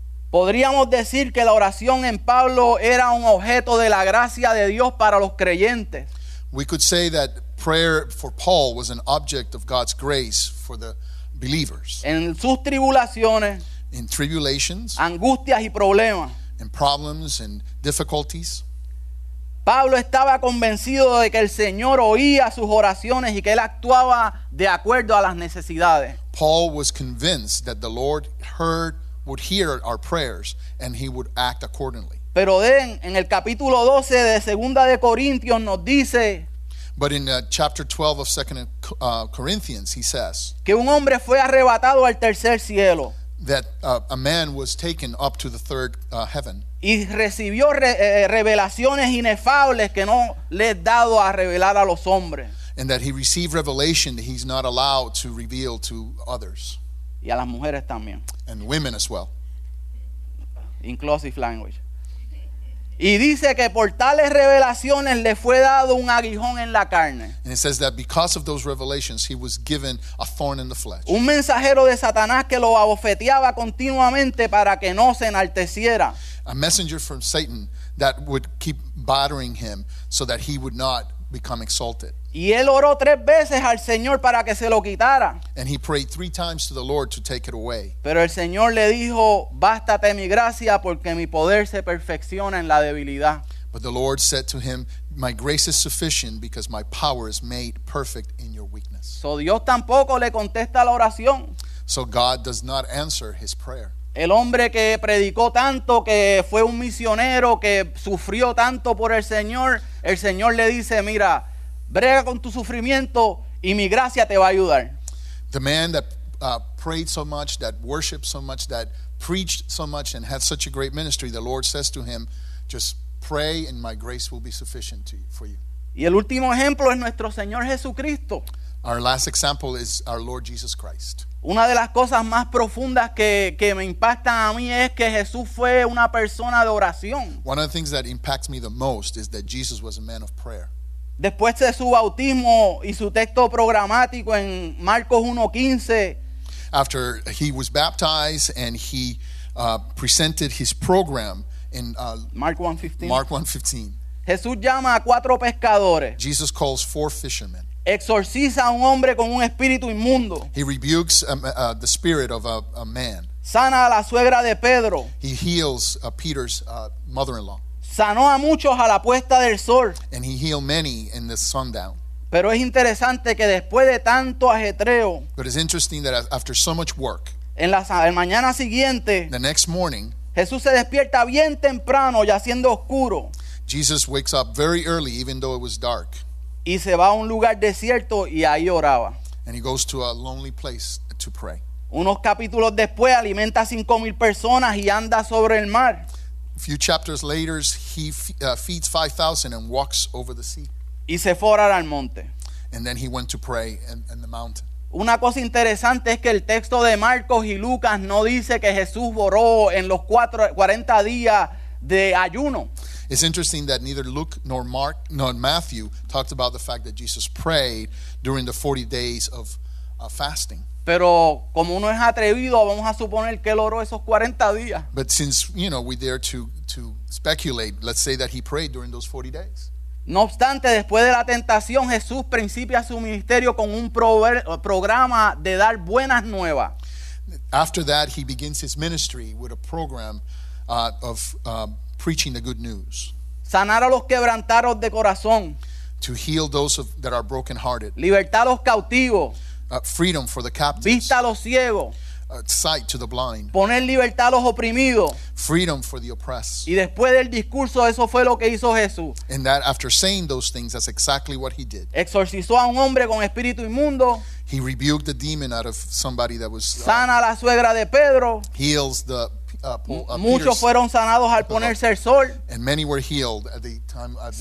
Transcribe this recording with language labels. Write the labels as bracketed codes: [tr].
[es] Podríamos decir que la oración en Pablo era un objeto de la gracia de Dios para los creyentes. [en] We could say that prayer for Paul was an object of God's grace for the believers. [es] En sus tribulaciones, [en] in tribulations, [es] angustias y problemas, [en] in problems and difficulties, [es] Pablo estaba convencido de que el Señor oía sus oraciones y que él actuaba de acuerdo a las necesidades. [en] Paul was convinced that the Lord would hear our prayers and he would act accordingly. [es] Pero [en] then, [es] en el capítulo 12 de Segunda de Corintios nos dice, [en] but in chapter 12 of Second Corinthians he says [es] que un hombre fue arrebatado al tercer cielo, [en] that a man was taken up to the third heaven, [es] y recibió revelaciones inefables que no le es dado a revelar a los hombres, [en] and that he received revelation that he's not allowed to reveal to others. [es] Y a las mujeres también. [en] And women as well. Inclusive language. [es] Y dice que por tales revelaciones le fue dado un aguijón en la carne. [en] And it says that because of those revelations he was given a thorn in the flesh. [es] Un mensajero de Satanás que lo abofeteaba continuamente para que no se enalteciera. [en] A messenger from Satan that would keep battering him so that he would not become exalted. [es] Y él oró tres veces al Señor para que se lo quitara. [en] And he prayed three times to the Lord to take it away. [es] Pero el Señor le dijo, bástate mi gracia porque mi poder se perfecciona en la debilidad. [en] But the Lord said to him, my grace is sufficient because my power is made perfect in your weakness. So [es] Dios tampoco le contesta la oración. [en] So God does not answer his prayer. [es] El hombre que predicó tanto, que fue un misionero, que sufrió tanto por el Señor le dice, mira, brega con tu sufrimiento y mi gracia te va a ayudar. [en] The man that prayed so much, that worshiped so much, that preached so much and had such a great ministry, the Lord says to him, just pray and my grace will be sufficient to, for you. [es] Y el último ejemplo es nuestro Señor Jesucristo. [en] Our last example is our Lord Jesus Christ. [es] Una de las cosas más profundas que me impactan a mí es que Jesús fue una persona de oración. [en] One of the things that impacts me the most is that Jesus was a man of prayer. [es] Después de su bautismo y su texto programático en Marcos 1:15. [en] After he was baptized and he presented his program in [es] Mark 1:15. Jesús llama a cuatro pescadores. [en] Jesus calls four fishermen. [es] Exorciza a un hombre con un espíritu inmundo. [en] He rebukes the spirit of a man. [es] Sana a la suegra de Pedro. [en] He heals Peter's mother-in-law. [es] Sanó a muchos a la puesta del sol. [en] And he healed many in the sundown. [es] Pero es interesante que después de tanto ajetreo, [en] but it's interesting that after so much work, [es] en la mañana siguiente, [en] the next morning, [es] Jesús se despierta bien temprano ya siendo oscuro. [en] Jesus wakes up very early even though it was dark. [es] Y se va a un lugar desierto y ahí oraba. [en] And he goes to a lonely place to pray. [es] Unos capítulos después alimenta 5,000 personas y anda sobre el mar. [en] A few chapters later, he feeds 5,000 and walks over the sea. [es] Y se fue a orar al monte. [en] And then he went to pray in the mountain. [es] Una cosa interesante es que el texto de Marcos y Lucas no dice que Jesús oró en los 40 días de ayuno. [en] It's interesting that neither Luke nor Mark nor Matthew talked about the fact that Jesus prayed during the 40 days of fasting. [es] Pero como uno es atrevido, vamos a suponer que él oró esos 40 días. [en] But since, you know, we dare to speculate, let's say that he prayed during those 40 days. [es] No obstante, después de la tentación, Jesús principia su ministerio con un programa de dar buenas nuevas. [en] After that, he begins his ministry with a program of preaching the good news. [es] Sanar a los quebrantados de corazón. [en] To heal those of, that are brokenhearted. [es] Libertad a los cautivos. [en] Freedom for the captives. [es] Vista a los ciegos. [en] Sight to the blind. [es] Poner libertad a los oprimidos. [en] Freedom for the oppressed. [es] Y después del discurso, eso fue lo que hizo Jesús. [en] And that after saying those things, that's exactly what he did. [es] Exorcizó a un hombre con espíritu inmundo. [en] He rebuked the demon out of somebody that was [es] sana a la suegra de Pedro. [en] Heals the [es] muchos fueron sanados al ponerse el sol. [en] And many were healed at the time of the